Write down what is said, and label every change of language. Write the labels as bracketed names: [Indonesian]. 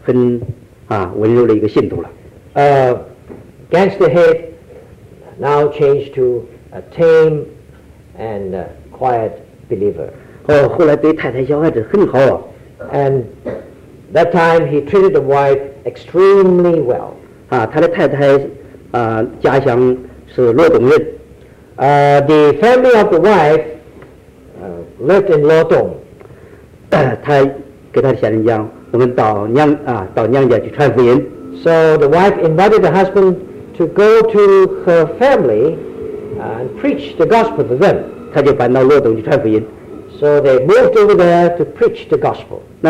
[Chinese] 一个大流氓就变成一个很温柔的一个信徒了。 [English] Gangster head now changed to a tame and quiet believer. [Chinese] 后来对太太小孩子很好啊。 [English] And that time he treated the wife extremely well. [Chinese] 他的太太家乡是罗东人。 [English] The family of the wife lived in Luo Dong. [Chinese] 她给她的先生讲，我们到娘家去传福音。 [English] So the wife invited the husband to go to her family and preach the gospel to them. [Chinese] 她就搬到罗东去传福音。 [English] So they moved over there to preach the gospel.